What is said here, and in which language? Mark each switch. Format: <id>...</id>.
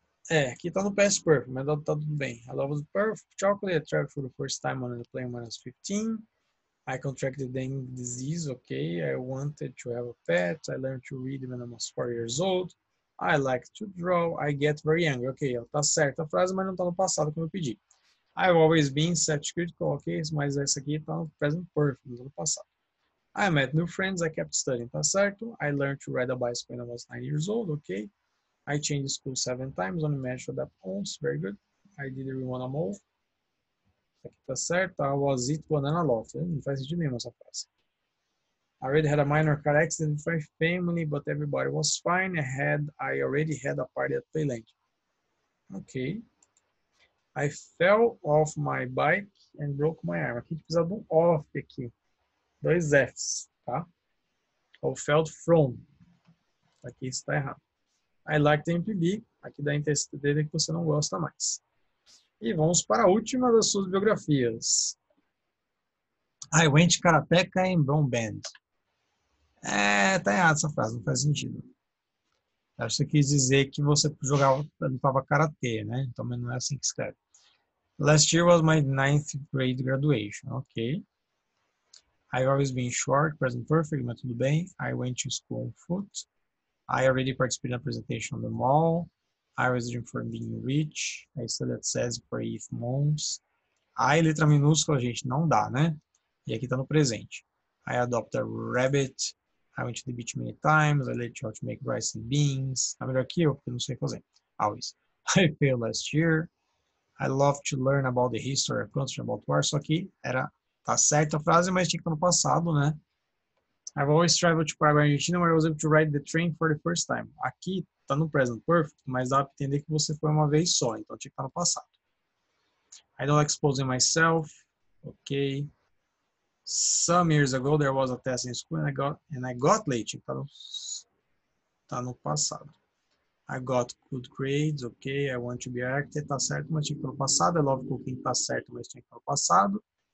<pt>É, aqui tá no past perfect, mas tá tudo bem.</pt> <en>I love the perfect chocolate. I traveled for the first time on a plane when I was 15. I contracted dengue disease, okay. I wanted to have a pet. I learned to read when I was 4 years old. I like to draw. I get very angry.</en> <pt>Ok, tá certa a frase, mas não tá no passado, como eu pedi.</pt> <en>I've always been such critical.</en> <pt>Ok, mas essa aqui tá no present perfect, não tá no passado.</pt> <en>I met new friends. I kept studying.</en> <pt>Tá certo.</pt> <en>I learned to ride a bicycle when I was 9 years old. Ok. I changed school 7 times. Only managed to adapt once. Very good. I did everyone a move.</en> <pt>Aqui tá certo.</pt> <en>I was it banana loaf.</en> <pt>Não faz sentido nenhum essa frase.</pt> <en>I already had a minor car accident with my family, but everybody was fine. I already had a party at Playland. Ok. I fell off my bike and broke my arm.</en> <pt>Aqui a gente precisa de um off aqui. Dois Fs, tá? Ou fell from. Aqui isso tá errado.</pt> <en>I like the MPB.</en> <pt>Aqui dá a entender que você não gosta mais. E vamos para a última das suas biografias.</pt> <en>I went karateka in Brown Band.</en> <pt>É, tá errado essa frase, não faz sentido. Acho que você quis dizer que você jogava, lutava karatê, né? Então, mas não é assim que escreve.</pt> <en>Last year was my ninth grade graduation. Ok. I've always been short, present perfect,</en> <pt>mas tudo bem.</pt> <en>I went to school on foot. I already participated in a presentation on the mall. I was dreaming for being rich. I studied at SESI for 8 months.</en> <pt>I, letra minúscula, gente, não dá, né? E aqui tá no presente.</pt> <en>I adopted a rabbit. I went to the beach many times. I learned how to make rice and beans.</en> <pt>Tá melhor que eu, porque não sei fazer.</pt> <en>Always. I failed last year. I love to learn about the history of country about war.</en> <pt>Só que era, tá certa a frase, mas tinha que estar no passado, né?</pt> <en>I've always traveled to Paraguay, Argentina, where I was able to ride the train for the first time.</en> <pt>Aqui tá no present perfect, mas dá pra entender que você foi uma vez só, então tinha que estar no passado.</pt> <en>I don't like exposing myself. Ok. Some years ago, there was a test in school and I got late.</en> <pt>Tá no passado.</pt> <en>I got good grades, ok. I want to be an architect.</en> <pt>Tá certo, mas tinha que estar no passado.</pt> <en>I love cooking.</en> <pt>Tá certo, mas tinha que estar no passado.</pt>